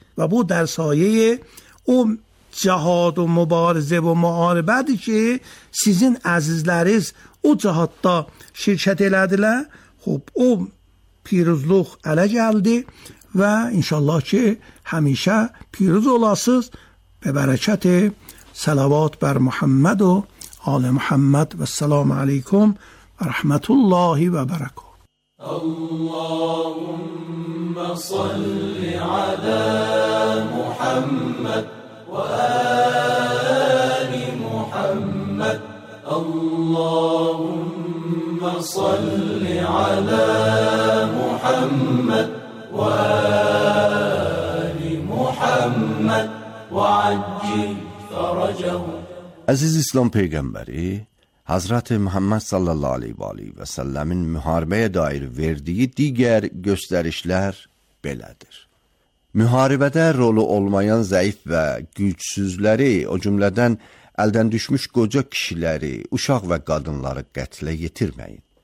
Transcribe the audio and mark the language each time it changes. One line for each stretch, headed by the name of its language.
Azerbaijani: Və bu dərsayı o cəhad o mübarizə və müharibədir ki, sizin əzizləriz o cəhadda şirkət elədilər. Xub, o piruzluq ələ gəldi və inşallah ki, həmişə piruz olasız və bərəkəti salavat bər Muhammed o, Ali Muhammed və səlamu aleykum.
Arabic: رحمة الله وبركاته اللهم صل على محمد وآل محمد اللهم صل على محمد وآل محمد وعجل فرجه
Persian: عزيز اسلام پیغمبری
Azerbaijani: Hazreti Muhammed sallallahu aleyhi ve aleyhi ve sellemin müharibəyə dair verdiyi digər göstərişlər belədir. Müharibədə rolu olmayan zəif və gücsüzləri, o cümlədən əldən düşmüş qoca kişiləri, uşaq və qadınları qətlə yetirməyin.